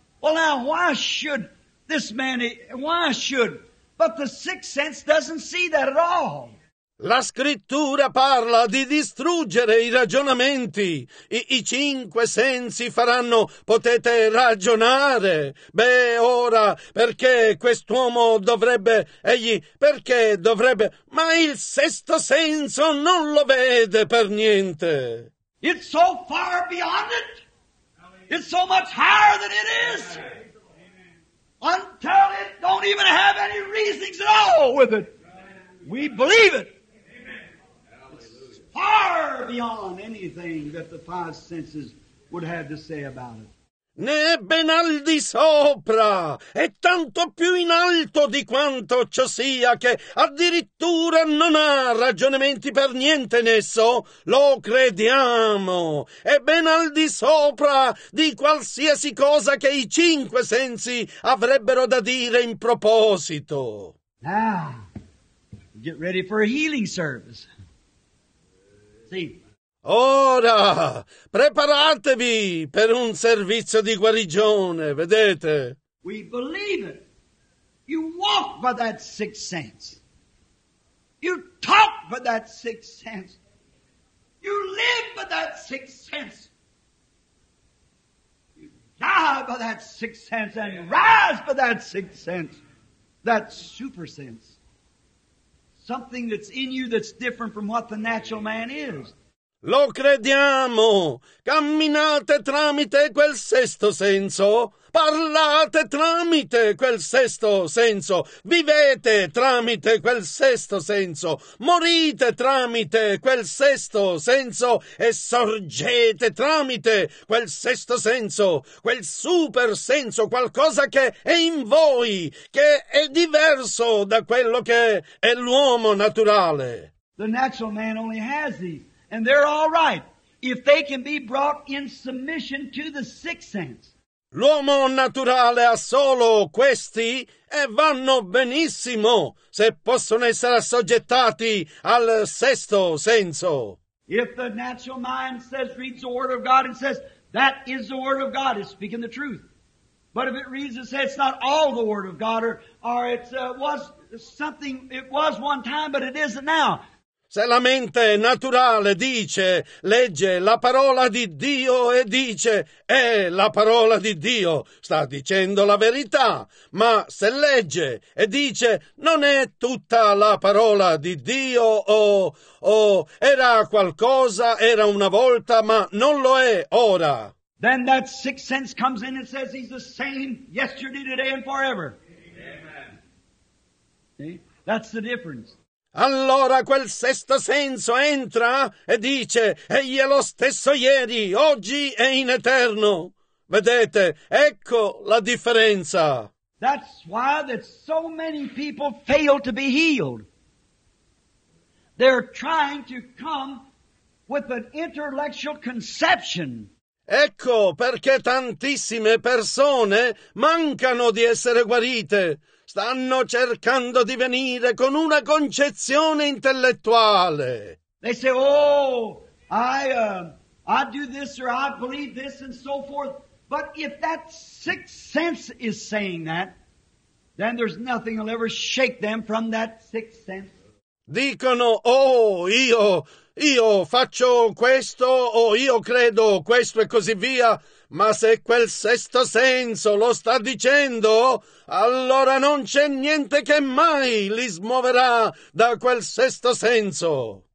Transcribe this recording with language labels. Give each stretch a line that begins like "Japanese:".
English: Well, now, why should this man, why should? But the sixth sense doesn't see that at all.
Italian: La scrittura parla di distruggere i ragionamenti. I cinque sensi faranno, potete ragionare. Beh, ora, perché quest'uomo dovrebbe, egli, perché dovrebbe, ma il sesto senso non lo vede per niente.
English: It's so far beyond it. It's so much higher than it is. Until it don't even have any reasonings at all with it. We believe it. Far beyond anything that the five senses would have to say about it.
Italian: Né ben al di sopra, è tanto più in alto di quanto ciò sia, che addirittura non ha ragionamenti per niente in esso. Lo crediamo. È ben al di sopra di qualsiasi cosa che i cinque sensi avrebbero da dire in proposito.
English: Now, get ready for a healing service.
Italian: Ora, preparatevi per un servizio di guarigione, vedete?
English: We believe it. You walk by that sixth sense. You talk by that sixth sense. You live by that sixth sense. You die by that sixth sense and rise by that sixth sense. That super sense. Something that's in you that's different from what the natural man is.
Italian: Lo crediamo! Camminate tramite quel sesto senso! Parlate tramite quel sesto senso! Vivete tramite quel sesto senso! Morite tramite quel sesto senso! E sorgete tramite quel sesto senso! Quel super senso! Qualcosa che è in voi! Che è diverso da quello che è l'uomo naturale!
English: The natural man only has these. And they're all right if they can be brought in submission to the sixth sense.
Italian: L'uomo naturale ha solo questi e vanno benissimo se possono essere assoggettati al sesto senso.
English: If the natural mind says, reads the word of God and says, that is the word of God, it's speaking the truth. But if it reads and says, it's not all the word of God, or it's was something, it was one time, but it isn't now.
Italian: Se la mente naturale dice, legge la parola di Dio e dice, è la parola di Dio, sta dicendo la verità. Ma se legge e dice, non è tutta la parola di Dio, o era qualcosa, era una volta, ma non lo è ora.
English: Then that sixth sense comes in and says he's the same yesterday, today and forever. Amen. That's the difference.
Italian: Allora quel sesto senso entra e dice, egli è lo stesso ieri, oggi e in eterno. Vedete, ecco la differenza.
English: That's why that so many people fail to be healed. They're trying to come with an intellectual conception.
Italian: Ecco perché tantissime persone mancano di essere guarite. Stanno cercando di venire con una concezione intellettuale.
English: They say, oh, I do this or I believe this and so forth. But if that sixth sense is saying that, then there's nothing that'll ever shake them from that sixth sense.
Italian: Dicono, oh, io faccio questo o io credo questo e così via. Ma se quel sesto senso lo sta dicendo, allora non c'è niente che mai li smuoverà da quel sesto senso.